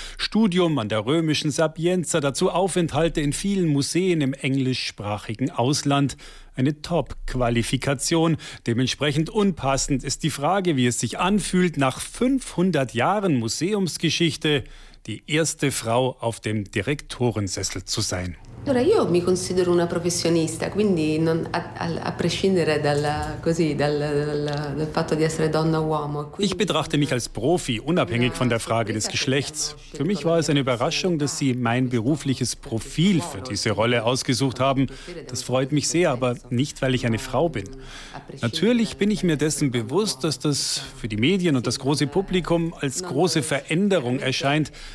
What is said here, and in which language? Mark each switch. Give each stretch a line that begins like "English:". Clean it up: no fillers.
German: Studium an der römischen Sapienza, dazu Aufenthalte in vielen Museen im englischsprachigen Ausland. Eine Top-Qualifikation. Dementsprechend unpassend ist die Frage, wie es sich anfühlt, nach 500 Jahren Museumsgeschichte die erste Frau auf dem Direktorensessel zu sein.
Italian: Allora io mi considero una professionista, quindi non a prescindere dalla così dal fatto di essere donna o uomo.
German: Ich betrachte mich als Profi, unabhängig von der Frage des Geschlechts. Für mich war es eine Überraschung, dass Sie mein berufliches Profil für diese Rolle ausgesucht haben. Das freut mich sehr, aber nicht, weil ich eine Frau bin. Natürlich bin ich mir dessen bewusst, dass das für die Medien und das große Publikum als große Veränderung erscheint.